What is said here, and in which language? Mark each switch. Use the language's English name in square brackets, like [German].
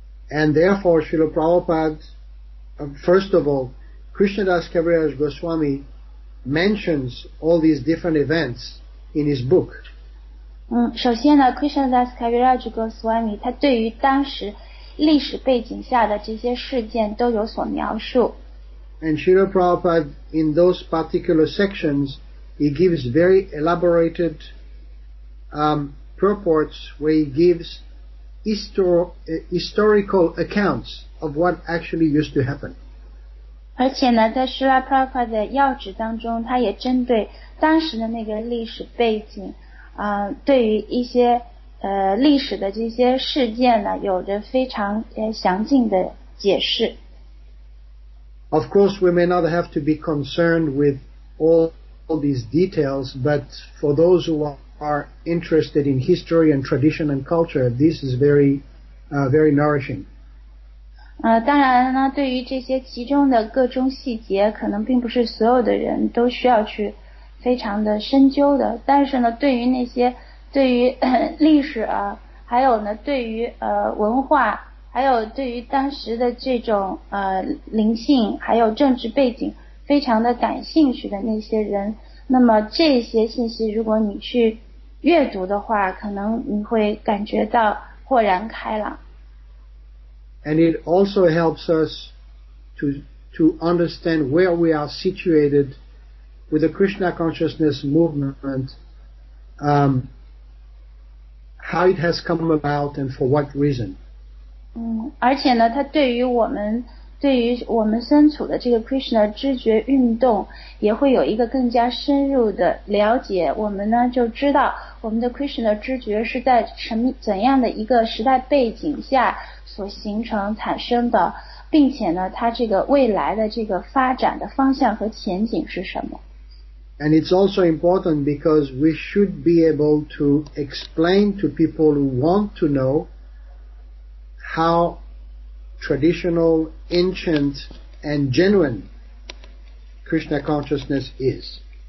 [English] And therefore, Srila Prabhupada, first of all, Krishnadas Kaviraj Goswami mentions all these different events in his book. [Chinese] 首先呢 ，Krishnadas Kaviraj Goswami 他对于当时历史背景下的这些事件都有所描述。 [English] And Srila Prabhupada, in those particular sections, he gives very elaborated purports where he gives historical accounts of what actually used to happen. [Chinese] 而且呢，在施拉普拉帕的要旨当中，他也针对当时的那个历史背景，对于一些历史的这些事件呢，有着非常详尽的解释。 [English] Of course, we may not have to be concerned with all these details, but for those who are interested in history and tradition and culture, this is very nourishing. [Chinese] 当然呢，对于这些其中的各种细节，可能并不是所有的人都需要去非常的深究的。但是呢，对于那些对于历史啊，还有呢，对于文化，还有对于当时的这种灵性，还有政治背景非常的感兴趣的那些人，那么这些信息如果你去阅读的话，可能你会感觉到豁然开朗。 [English] And it also helps us to understand where we are situated with the Krishna consciousness movement, how it has come about and for what reason. [Chinese] 而且呢，他对于我们身处的这个 Krishna 知觉运动，也会有一个更加深入的了解。我们呢就知道我们的 Krishna 知觉是在什么怎样的一个时代背景下所形成产生的，并且呢，它这个未来的这个发展的方向和前景是什么。 [English] And it's also important because we should be able to explain to people who want to know how traditional, ancient, and genuine Krishna consciousness is.